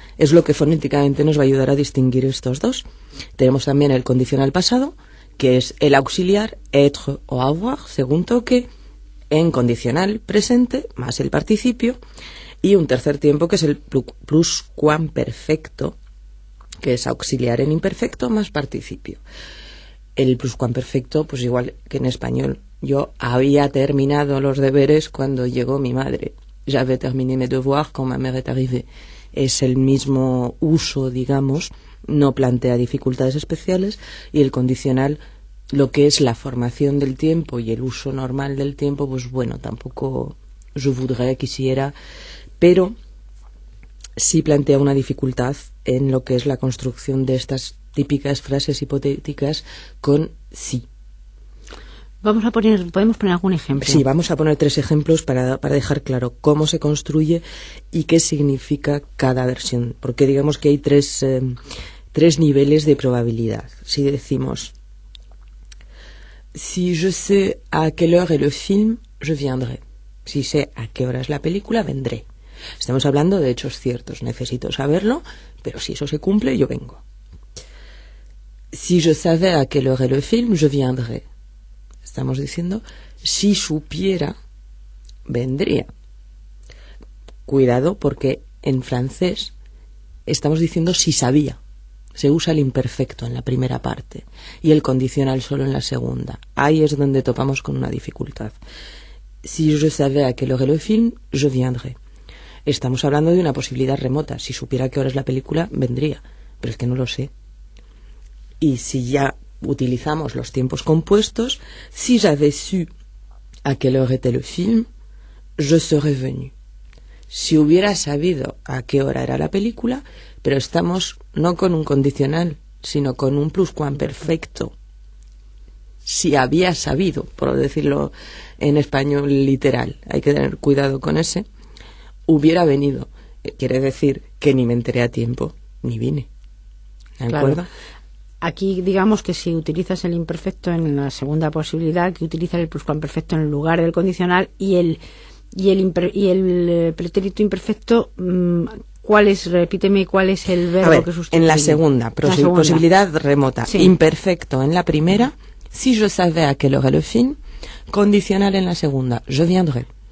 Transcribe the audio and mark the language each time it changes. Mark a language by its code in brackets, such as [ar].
[es] Es lo que fonéticamente nos va a ayudar a distinguir estos dos. Tenemos también el condicional pasado, que es el auxiliar, être o avoir, según toque, en condicional presente, más el participio, y un tercer tiempo, que es el pluscuamperfecto, que es auxiliar en imperfecto, más participio. El pluscuamperfecto, pues igual que en español, yo había terminado los deberes cuando llegó mi madre. [fr] J'avais terminé mes devoirs quand ma mère est arrivée. [es] Es el mismo uso, digamos, no plantea dificultades especiales. Y el condicional, lo que es la formación del tiempo y el uso normal del tiempo, pues bueno, tampoco je voudrais, quisiera, pero sí plantea una dificultad en lo que es la construcción de estas típicas frases hipotéticas con sí. ¿Podemos poner algún ejemplo? Sí, vamos a poner tres ejemplos para dejar claro cómo se construye y qué significa cada versión. Porque digamos que hay tres niveles de probabilidad. Si decimos, [fr] si je sais à quelle heure est le film, je viendrai. [es] Si sé a qué hora es la película, vendré. Estamos hablando de hechos ciertos, necesito saberlo, pero si eso se cumple, yo vengo. [fr] Si je savais à quelle heure est le film, je viendrai. [es] Estamos diciendo, si supiera, vendría. Cuidado, porque en francés estamos diciendo si sabía. Se usa el imperfecto en la primera parte y el condicional solo en la segunda. Ahí es donde topamos con una dificultad. [fr] Si je savais à quelle heure est le film, je viendrai. [es] Estamos hablando de una posibilidad remota. Si supiera qué hora es la película, vendría. Pero es que no lo sé. Y si ya utilizamos los tiempos compuestos, [fr] si j'avais su a quelle heure était le film, je serais venu. [es] Si hubiera sabido a qué hora era la película, pero estamos no con un condicional, sino con un pluscuamperfecto. Si había sabido, por decirlo en español literal, hay que tener cuidado con ese, hubiera venido. Quiere decir que ni me enteré a tiempo, ni vine. ¿De acuerdo? Claro. Aquí digamos que si utilizas el imperfecto en la segunda posibilidad, que utilizas el pluscuamperfecto en el lugar del condicional y el pretérito imperfecto, ¿cuál es, repíteme, cuál es el verbo a ver, que sustituye? En la segunda, posibilidad remota. Sí. Imperfecto en la primera, [fr] si je savais à quelle heure est le film, [es] condicional en la segunda, [fr] je viendrai.